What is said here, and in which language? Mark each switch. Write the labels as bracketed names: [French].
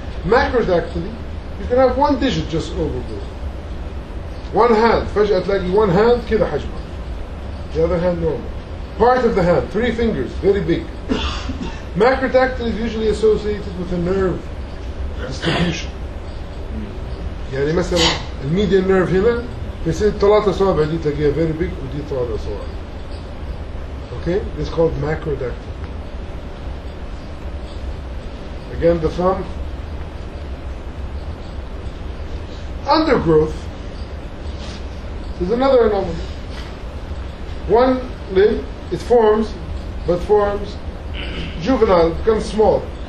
[English] Macrodactyly, you can have one digit just overgrowth. One hand, [Arabic] فجأة تلاقي [English] one hand [Arabic] كده حجمه. [English] The other hand normal. Part of the hand, three fingers, very big. Macrodactyly is usually associated with a nerve distribution. [Arabic] يعني مثلا الميديان نيرف هنا بيصير ثلاثة صوابع دي تلاقيها [English] very big [Arabic] ودي ثلاثة صوابع. [English] Okay? It's called macrodactyly. Again, the thumb. Undergrowth is another anomaly. One limb, it forms, but forms juvenile, becomes small.